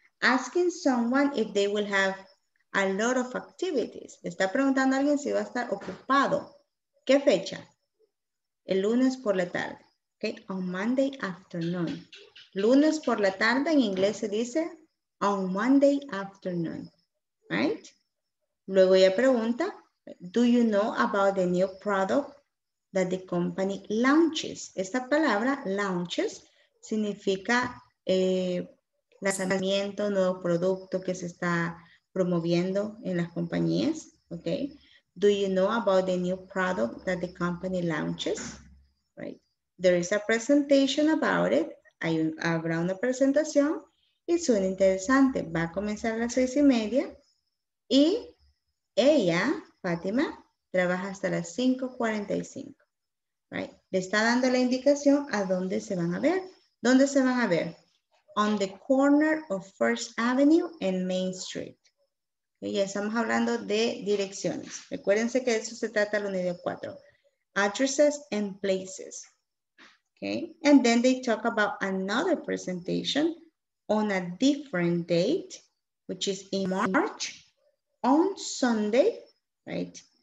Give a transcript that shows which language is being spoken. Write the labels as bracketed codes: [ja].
[en] Asking someone if they will have a lot of activities. [es] Está preguntando a alguien si va a estar ocupado. ¿Qué fecha? El lunes por la tarde. [en] Okay, on Monday afternoon. [es] Lunes por la tarde en inglés se dice [en] on Monday afternoon. Right? [es] Luego ella pregunta, [en] do you know about the new product that the company launches? [es] Esta palabra, launches, significa lanzamiento, nuevo producto que se está promoviendo en las compañías, okay? [en] Do you know about the new product that the company launches? Right. There is a presentation about it. [es] Habrá una presentación y suena interesante. Va a comenzar a las 6:30 y ella, Fátima, trabaja hasta las 5:45. Right. Le está dando la indicación a dónde se van a ver. ¿Dónde se van a ver? [en] On the corner of First Avenue and Main Street. [es] Ya estamos hablando de direcciones. Recuérdense que eso se trata de la unidad 4. [en] Addresses and places. Okay. And then they talk about another presentation on a different date, which is in March, on Sunday, right?